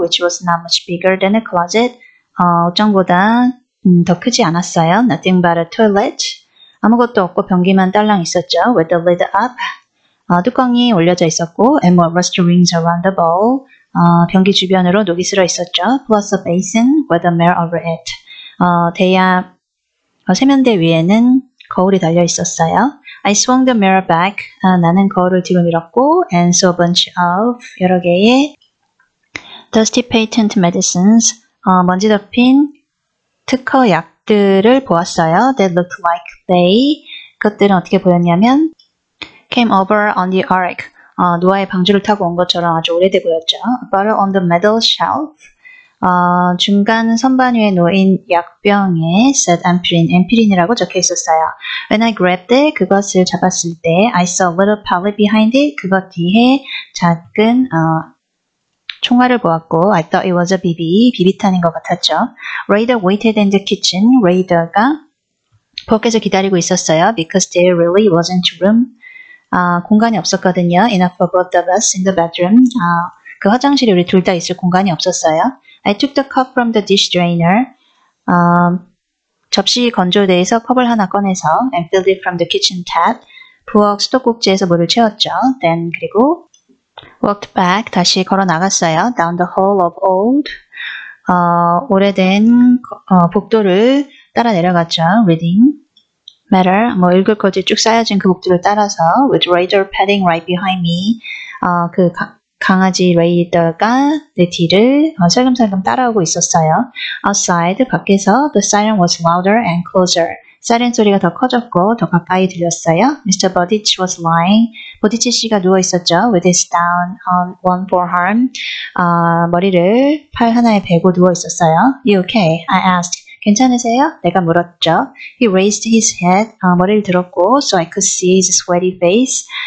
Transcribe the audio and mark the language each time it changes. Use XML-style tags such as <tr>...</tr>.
<en>Which was not much bigger than a closet.</en> <ko>옷장보다 더 크지 않았어요.</ko> <en>Nothing but a toilet.</en> <ko>아무것도 없고 변기만 딸랑 있었죠.</ko> <en>With the lid up.</en> <ko>뚜껑이 올려져 있었고,</ko> <en>and more rusty rings around the bowl.</en> <ko>변기 주변으로 녹이 슬어 있었죠.</ko> <en>Plus a basin with a mirror over it.</en> <ko>대야 세면대 위에는 거울이 달려 있었어요.</ko> <en>I swung the mirror back.</en> <ko>나는 거울을 뒤로 밀었고,</ko> <en>and saw a bunch of</en> <ko>여러 개의</ko> <en>dusty patent medicines.</en> <ko>먼지 덮인 특허 약들을 보았어요.</ko> <en>They looked like they.</en> <ko>그것들은 어떻게 보였냐면,</ko> <en>came over on the ark.</en> <ko>노아의 방주를 타고 온 것처럼 아주 오래돼 보였죠.</ko> <en>A bottle on the middle shelf.</en> <ko>중간 선반 위에 놓인 약병에</ko> <en>said</en> <ko>ampirin이라고 적혀 있었어요.</ko> <en>When I grabbed it,</en> <ko>그것을 잡았을 때,</ko> <en>I saw a little pallet behind it.</en> <ko>그것 뒤에 작은 총알을 보았고,</ko> <en>I thought it was a BB,</en> <ko>비비탄인 것 같았죠.</ko> <en>Raider waited in the kitchen.</en> <ko>Raider가 부엌에서 기다리고 있었어요.</ko> <en>Because there really wasn't room.</en> <ko>공간이 없었거든요.</ko> <en>Enough for both of us in the bedroom.</en> <ko>그 화장실에 우리 둘다 있을 공간이 없었어요.</ko> <en>I took the cup from the dish drainer.</en> <ko>접시 건조대에서 컵을 하나 꺼내서</ko> <en>and filled it from the kitchen tap.</en> <ko>부엌 수도꼭지에서 물을 채웠죠.</ko> <en>Then</en> <ko>그리고</ko> <en>walked back</en> <ko>다시 걸어 나갔어요.</ko> <en>Down the hall of old.</en> <ko>오래된 복도를 따라 내려갔죠.</ko> <en>Reading. Matter,</en> <ko>뭐 읽을 거지 쭉 쌓여진 그 복도를 따라서</ko> <en>with Raider padding right behind me,</en> <ko>그 강아지 레이더가 내 뒤를 살금살금 따라오고 있었어요.</ko> <en>Outside,</en> <ko>밖에서</ko> <en>the siren was louder and closer.</en> <ko>사이렌 소리가 더 커졌고 더 가까이 들렸어요.</ko> <en>Mr. Bodich was lying.</en> <ko>보디치 씨가 누워 있었죠.</ko> <en>With his down on one forearm,</en> <ko>머리를 팔 하나에 베고 누워 있었어요.</ko> <en>You okay? I asked.</en> <ko>괜찮으세요? 내가 물었죠.</ko> <en>He raised his head,</en> <ko>머리를 들었고,</ko> <en>so I could see his sweaty face.</en>